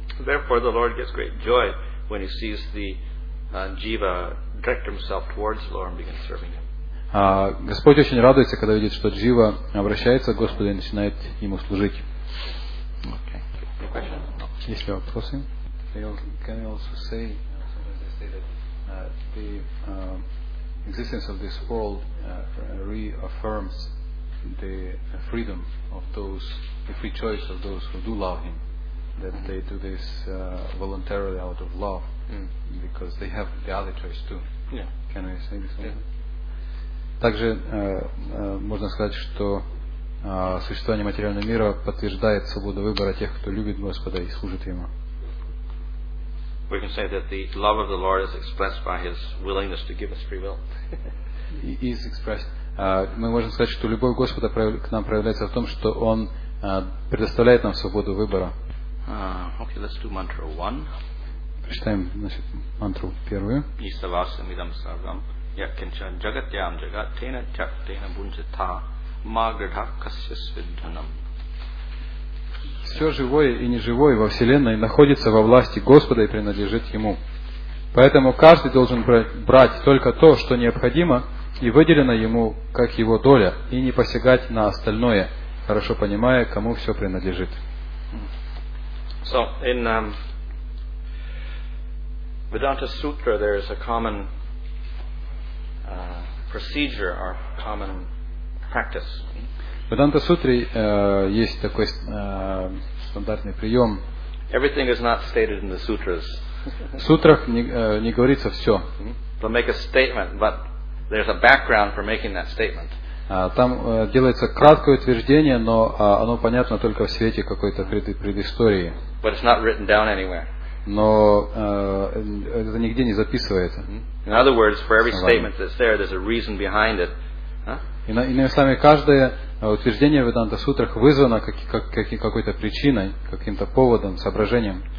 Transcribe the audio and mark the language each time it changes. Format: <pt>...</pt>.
<en>Therefore, the Lord gets great joy when he sees the jiva direct himself towards the Lord and begins serving him.</en> <ru>Господь очень радуется, когда видит, что джива обращается к Господу и начинает ему служить.</ru> <en>Okay.</en> <ru>Есть ли вопросы?</ru> <en>Can you also say, sometimes they say that the existence of this world reaffirms the freedom of those, the free choice of those who do love him, that they do this voluntarily out of love, because they have the other choice too. Yeah. Can I say this?</en> <ru>Также можно сказать, что существование материального мира подтверждает свободу выбора тех, кто любит Господа и служит Ему.</ru> <en>We can say that the love of the Lord is expressed by His willingness to give us free will. Is expressed.</en> <ru>Мы можем сказать, что любовь Господа к нам проявляется в том, что Он предоставляет нам свободу выбора.</ru> <en>Okay, let's do mantra one.</en> <ru>Прочитаем, значит, мантру первую.</ru> <sa>Исавасам идам саргам. Yakincha jagatyam jagat tena chak tena bunjata magradha kasya svidhanam.</sa> <ru>Все живое и неживое во вселенной находится во власти Господа и принадлежит Ему. Поэтому каждый должен брать только то, что необходимо и выделено ему как его доля, и не посягать на остальное, хорошо понимая, кому все принадлежит.</ru> <en>So in Vedanta Sutra there is a common procedure or common practice.</en> <ru>Vedanta Sutra есть такой стандартный прием.</ru> <en>Everything is not stated in the sutras.</en> <ru>В сутрах не говорится все.</ru> <en>They make a statement, but there's a background for making that statement.</en> <ru>Там делается краткое утверждение, но оно понятно только в свете какой-то предыстории.</ru> <en>But it's not written down anywhere.</en> <ru>Но это нигде не записывается.</ru> <en>In other words, for every statement that's there, there's a reason behind it.</en> <ru>Иными словами, каждое утверждение в Веданта Сутрах вызвано какой-то причиной, каким-то поводом, соображением.</ru>